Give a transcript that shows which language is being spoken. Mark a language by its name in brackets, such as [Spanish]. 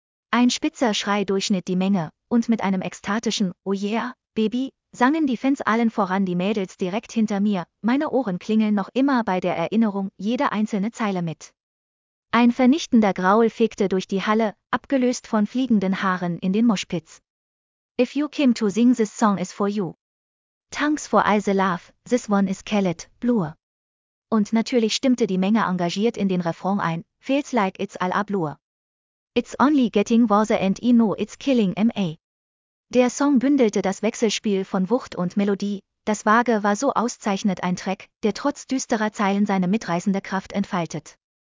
[German] Ein spitzer Schrei durchschnitt die Menge, und mit einem ekstatischen [English] Oh yeah, Baby, [German] sangen die Fans allen voran, die Mädels direkt hinter mir, meine Ohren klingeln noch immer bei der Erinnerung, jede einzelne Zeile mit. Ein vernichtender Graul fegte durch die Halle, abgelöst von fliegenden Haaren in den Moshpits. [English] If you came to sing, this song is for you. Thanks for all the love, this one is Kellet, Blur. [German] und natürlich stimmte die Menge engagiert in den Refrain ein, [English] feels like it's all a blur. It's only getting worse and I know it's killing me. [German] Der Song bündelte das Wechselspiel von Wucht und Melodie, das Vage war so auszeichnet ein Track, der trotz düsterer Zeilen seine mitreißende Kraft entfaltet.